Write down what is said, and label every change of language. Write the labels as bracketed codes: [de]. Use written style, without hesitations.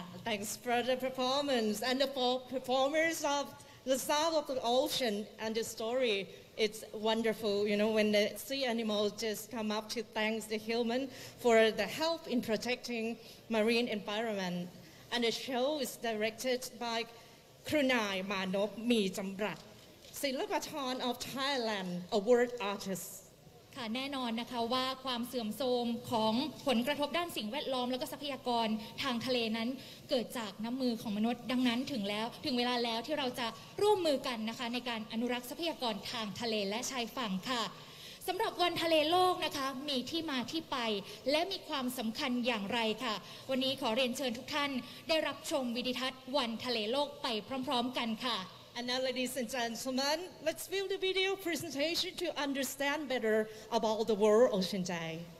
[en] Thanks for the performance and the performers of the sound of the ocean and the story it's wonderful you know when the sea animals just come up to thank the human for the help in protecting marine environment and the show is directed by Krunai Manop Mi Jamrat. ศิลปาธรออฟไทยแลนด์ award artist [th] ค่ะแน่นอนนะคะว่าความเสื่อมโทรมของผลกระทบด้านสิ่งแวดล้อมแล้วก็ทรัพยากรทางทะเลนั้นเกิดจากน้ำมือของมนุษย์ดังนั้นถึงเวลาแล้วที่เราจะร่วมมือกันนะคะในการอนุรักษ์ทรัพยากรทางทะเลและชายฝั่งค่ะสำหรับวันทะเลโลกนะคะมีที่มาที่ไปและมีความสำคัญอย่างไรค่ะวันนี้ขอเรียนเชิญทุกท่านได้รับชมวิดีทัศน์วันทะเลโลกไปพร้อมๆกันค่ะ [en] And now, ladies and gentlemen, let's view the video presentation to understand better about the World Ocean Day.